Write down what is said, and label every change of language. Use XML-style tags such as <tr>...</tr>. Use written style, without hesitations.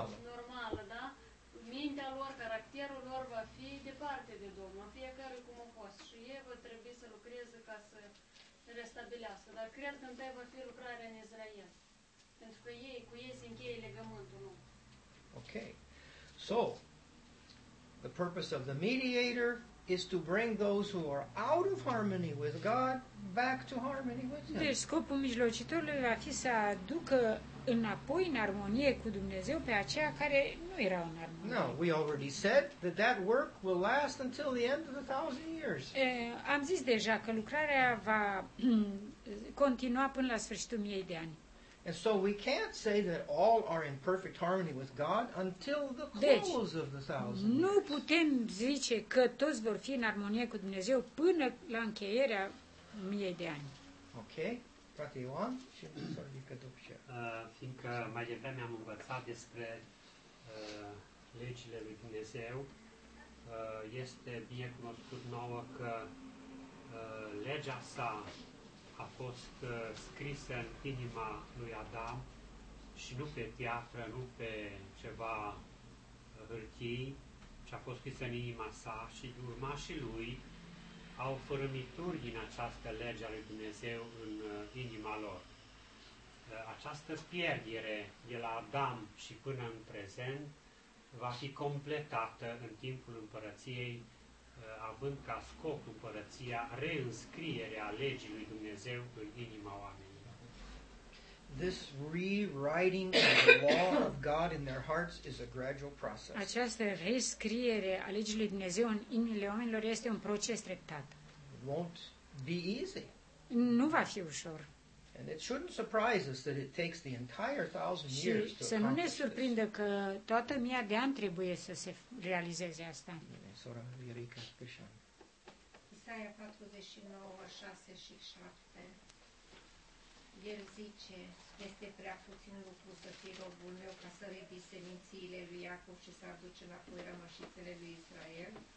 <ro>normală, da? Mintea lor, caracterul lor va fi departe de Domnul, fiecare cum a fost și ei vor trebui să lucreze ca să restabilească, dar cred că întâi va fi lucrarea în Israel, pentru că ei, cu ei se încheie legământul, nu?</ro> <en>Ok. So, the purpose of the mediator is to bring those who are out of harmony with God back to harmony with him.</en> <ro>Deci scopul mijlocitorului va fi să aducă înapoi în armonie cu Dumnezeu pe aceia care nu erau în armonie.</ro> <en>No, we already said that that work will last until the end of the 1,000 years.</en> <ro>Am zis deja că lucrarea va continua până la sfârșitul miei de ani.</ro> <en>And so we can't say that all are in perfect harmony with God until the close of the 1,000 years.</en> <ro>Nu putem zice că toți vor fi în armonie cu Dumnezeu până la încheierea miei de ani.</ro> <en>Okay.</en> <ro>Frate Ioan, și sorbică Dupșe. Fiindcă mai devreme am învățat despre legile lui Dumnezeu, este bine cunoscut nouă că legea sa a fost scrisă în inima lui Adam și nu pe piatră, nu pe ceva hârtii, ci a fost scrisă în inima sa și urmașii lui au fărâmituri din această lege a lui Dumnezeu în inima lor. Această pierdere de la Adam și până în prezent va fi completată în timpul împărăției, având ca scop împărăția reînscrierea legii lui Dumnezeu în inima oamenilor.</ro> <en>This rewriting of the law of God in their hearts is a gradual process.</en> <ro>Această rescriere a legii lui Dumnezeu în inimile oamenilor este un proces treptat.</ro> <en>Won't be easy.</en> <ro>Nu va fi ușor.</ro> <en>And it shouldn't surprise us that it takes the entire 1,000 years to accomplish.</en> <ro>Să nu ne surprindă că toată mia de ani trebuie să se realizeze asta. Sora Erika Krishan. Isaia 49:6-7. El zice, este prea puțin lucru să fii robul meu ca să ridici semințiile lui Iacov și să aduci înapoi rămășițele lui Israel.</ro>